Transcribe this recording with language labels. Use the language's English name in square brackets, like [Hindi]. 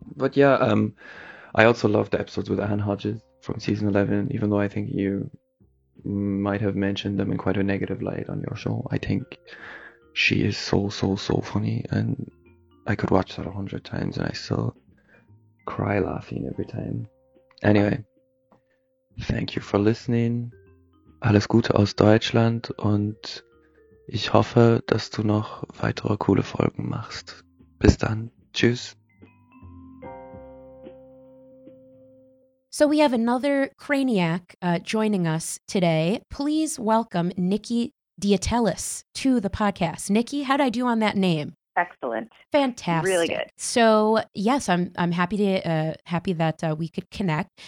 [English] But yeah, I also love the episodes with Anne Hodges from season 11, even though I think you might have mentioned them in quite a negative light on your show. I think she is so, so, so funny, and I could watch that 100 times and I still cry laughing every time. Anyway, thank you for listening. [German] Alles Gute aus Deutschland, und ich hoffe, dass du noch weitere coole Folgen machst. Bis dann. Tschüss. [English] So we have another Craniac joining us today. Please welcome Nikki Diatelis to the podcast. Nikki, how'd I do on that name? Excellent. Fantastic. Really good. So yes, I'm happy to happy that we could connect.